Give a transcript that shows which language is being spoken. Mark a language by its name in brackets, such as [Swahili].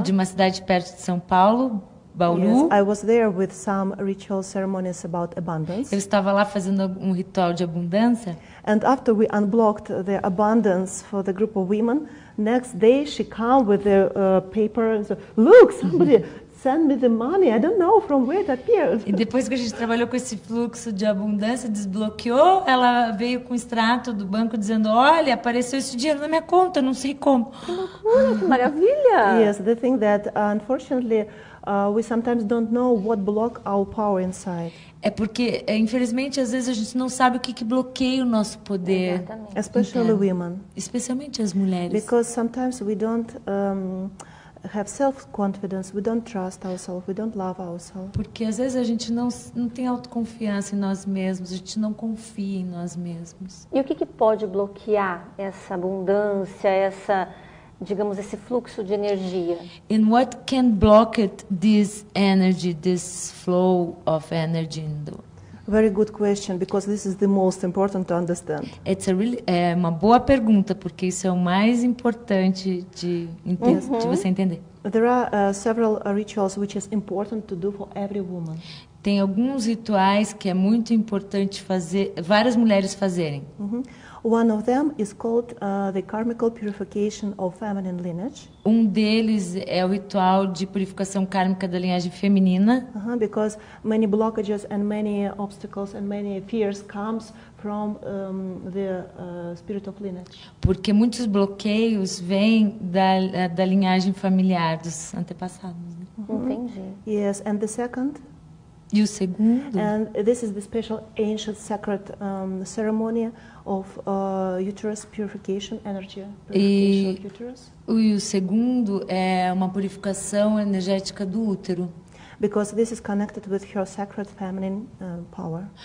[Portuguese] De uma cidade perto de São Paulo, Bauru. [English] Yes, I was there with some ritual ceremonies about abundance. [Portuguese] Eu estava lá fazendo um ritual de abundância. [English] And after we unblocked the abundance for the group of women, next day she came with the paper and said, "Look, somebody send me the money. I don't know from where it appeared." [Portuguese] E depois que a gente trabalhou com esse fluxo de abundância, desbloqueou, ela veio com o extrato do banco dizendo: "Olha, apareceu esse dinheiro na minha conta, não sei como." Que maravilha! [English] Yes, the thing that unfortunately we sometimes don't know what block our power inside. [Portuguese] É porque, infelizmente, às vezes a gente não sabe o que bloqueia o nosso poder. Exatamente. [English] Especially [Portuguese] interno. [English] Women. [Portuguese] Especialmente as mulheres. [English] Because sometimes we don't have self-confidence, we don't trust ourselves, we don't love ourselves. [Portuguese] Porque às vezes a gente não tem autoconfiança em nós mesmos, a gente não confia em nós mesmos. E o que pode bloquear essa abundância, essa, digamos, esse fluxo de energia? [English] And what can block it, this energy, this flow of energy in the world? Very good question, because this is the most important to understand. It's a really [Portuguese] uma boa pergunta, porque isso é o mais importante de você entender. [English] There are several rituals which is important to do for every woman. [Portuguese] Tem alguns rituais que é muito importante fazer, várias mulheres fazerem. [English] Uh-huh. One of them is called the karmical purification of feminine lineage. [Portuguese] Um deles é o ritual de purificação kármica da linhagem feminina. [English] Uh-huh, because many blockages and many obstacles and many fears comes from the spirit of lineage. [Portuguese] Porque muitos bloqueios vêm da linhagem familiar dos antepassados. Né? Uh-huh. Entendi. [English] Yes, and the second. [Portuguese] E o segundo? [English] And this is the special ancient sacred ceremony of uterus purification, energy purification of uterus. [Portuguese] E o segundo é uma purificação energética do útero. [English] Because this is connected with your sacred feminine power.